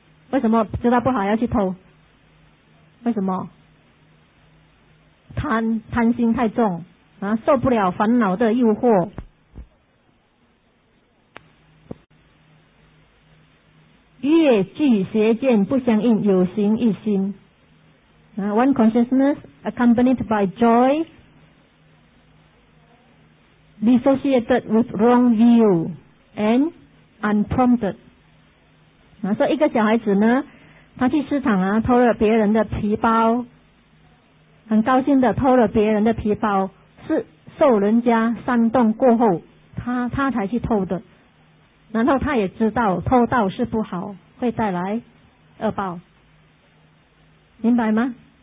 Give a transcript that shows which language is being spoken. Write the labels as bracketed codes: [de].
[zh] 为什么知道不好要去偷？为什么？贪心太重啊，受不了烦恼的诱惑。越具邪见不相应，有形一心。 [en] One consciousness accompanied by joy, dissociated with wrong view and unprompted. [zh] 所以一个小孩子呢，他去市场啊，偷了别人的皮包，很高兴的偷了别人的皮包，是受人家煽动过后，他才去偷的。然后他也知道偷盗是不好，会带来恶报，明白吗？